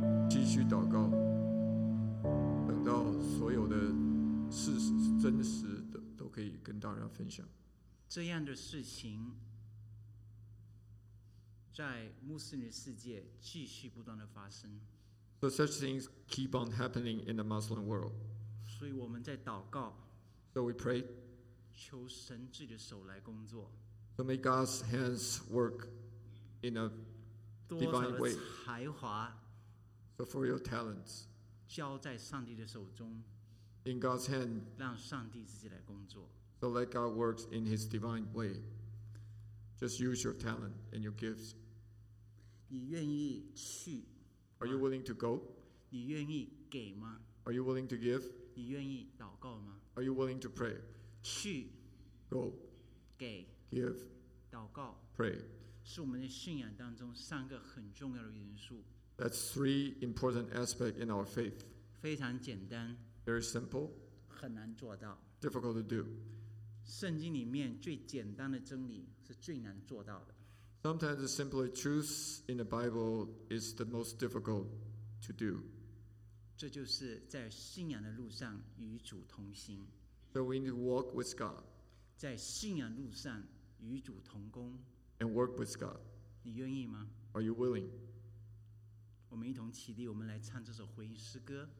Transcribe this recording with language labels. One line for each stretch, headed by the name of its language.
Chinese: 继续祷告，等到所有的事实真实的都可以跟大家分享。这样的事情在穆斯林世界继续不断的发生。
English: So such things keep on happening in the Muslim world.
Chinese: 所以我们在祷告。
English: So we pray.
Chinese: 求神自己的手来工作。
English: So may God's hands work in a divine way.
Chinese: 多少的才华。
English: So for your talents.
Chinese: 交在上帝的手中。
English: In God's hand.
Chinese: 让上帝自己来工作。
English: So let God work in His divine way. Just use your talent and your gifts.
Chinese: 你愿意去？
English: Are you willing to go?
Chinese: 你愿意给吗?
English: Are you willing to give?
Chinese: 你愿意祷告吗?
English: Are you willing to pray?
Chinese: 去,
English: go,
Chinese: 给,
English: give,
Chinese: 祷告,
English: pray.
Chinese: 是我们的信仰当中三个很重要的元素。
English: That's three important aspects in our faith.
Chinese: 非常简单,
English: very simple,
Chinese: 很难做到,
English: difficult to do.
Chinese: 圣经里面最简单的真理是最难做到的。
English: Sometimes the simple truth in the Bible is the most difficult to do.
Chinese: 这就是在信仰的路上与主同行。
English: So we need to walk with God.
Chinese: 在信仰路上与主同工。
English: And work with God.
Chinese: 你愿意吗?
English: Are you willing?
Chinese: 我们一同起立，我们来唱这首回应诗歌。